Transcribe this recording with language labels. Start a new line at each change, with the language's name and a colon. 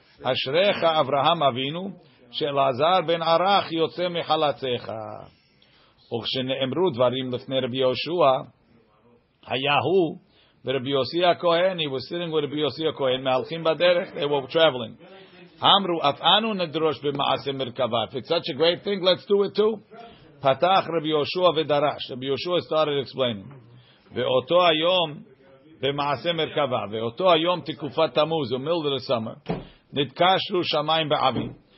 Hebrew: Ashrecha Avraham Avinu, שאלעזר בן ערך יוצא מחלציך. וכשנאמרו דברים לפני רבי יהושע, היה הוא ורבי יוסי הכהן,
English: he was sitting with
Hebrew: רבי יוסי הכהן, מהלכים בדרך,
English: they were traveling.
Hebrew: אמרו, אף אנו נדרוש במעשה מרכבה.
English: If it's such a great thing, let's do it too.
Hebrew: פתח רבי יהושע ודרש. רבי יהושע
English: started explaining.
Hebrew: ואותו היום, במעשה מרכבה, ואותו היום תקופת תמוז,
English: the middle of the summer,
Hebrew: נתקשרו שמיים בעבים.